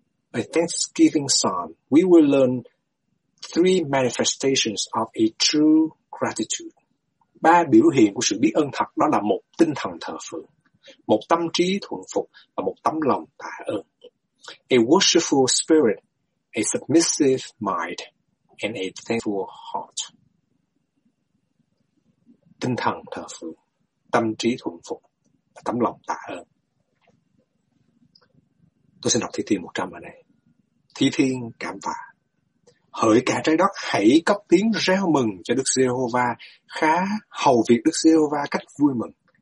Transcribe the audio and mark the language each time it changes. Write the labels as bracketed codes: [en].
[en] A Thanksgiving Song, we will learn three manifestations of a true gratitude. [vi] Ba biểu hiện của sự biết ơn thật đó là một tinh thần thờ phượng, một tâm trí thuận phục và một tấm lòng tạ ơn. [en] A worshipful spirit, a submissive mind, and a thankful heart. [vi] Tinh thần thờ phượng, tâm trí thuận phục và tấm lòng tạ ơn. Tôi xin đọc thi thiên 100 ở đây. Thi thiên cảm vả. Hỡi cả trái đất, hãy cất tiếng reo mừng cho Đức Giê-hô-va, khá hầu việc Đức Giê-hô-va cách vui mừng.